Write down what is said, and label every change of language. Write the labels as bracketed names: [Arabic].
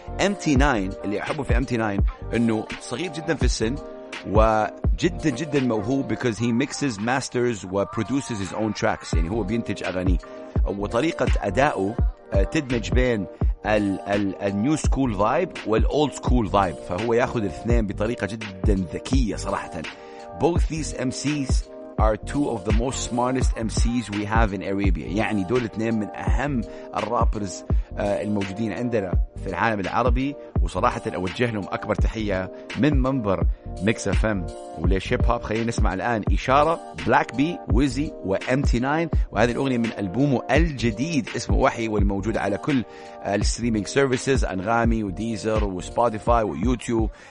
[Arabic] MT9 اللي أحبه في MT9 أنه صغير جدا في السن وجدا جدا موهوب, [English] because he mixes, masters [Arabic] و [English] produces his own tracks, [Arabic] يعني هو بينتج أغاني, وطريقة أدائه تدمج بين النيو سكول فايب والأولد سكول فايب, فهو ياخذ الاثنين بطريقة جدا ذكية صراحة. [English] Both these MCs are two of the most smartest MCs we have in Arabia. [Arabic] يعني دول اثنين من أهم الرابرز الموجودين عندنا في العالم العربي, وصراحة أوجه لهم أكبر تحية من منبر Mix FM وليش هيب هوب. خلينا نسمع الآن إشارة, بلاك بي, ويزي وMT9, وهذه الأغنية من ألبومه الجديد اسمه وحي, والموجود على كل الستريمينج سيرفيسز, أنغامي وديزر وسبوتيفاي ويوتيوب.